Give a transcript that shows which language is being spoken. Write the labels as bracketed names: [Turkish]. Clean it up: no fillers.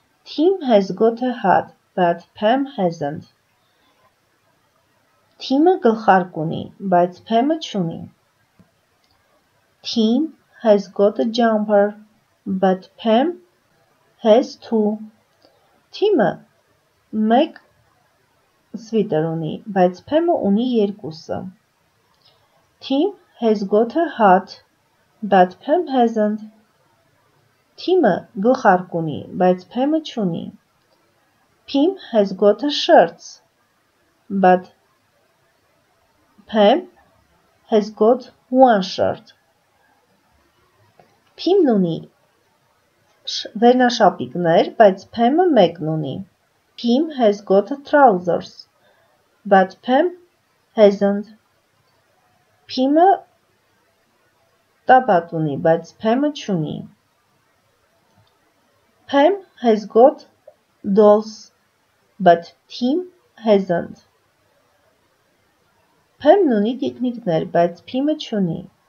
[English] Tim has got a hat, but Pam hasn't. [Armenian] Tim-ը գլխարկ ունի, բայց Pam-ը չունի. [English] Tim has got a jumper, but Pam has two. [Armenian] Tim-ը մեկ սվիտեր ունի, բայց Pam-ը ունի երկուսը. [English] Tim has got a hat, but Pam hasn't. [Armenian] Tim-ը գլխարկ ունի, բայց Pam-ը չունի. [English] Pim has got a shirt, but Pam has got one shirt. [Armenian] Pim-ն ունի վերնաշապիկներ, բայց Pam-ը մեկն ունի. [English] Pim has got a trousers, but Pam hasn't. [Armenian] Pim-ը տապատ ունի, բայց Pam-ը չունի. [English] Pam has got dolls, but Tim hasn't. [Armenian] Pam-ն ունի տիկնիկներ, բայց Pim-ը չունի.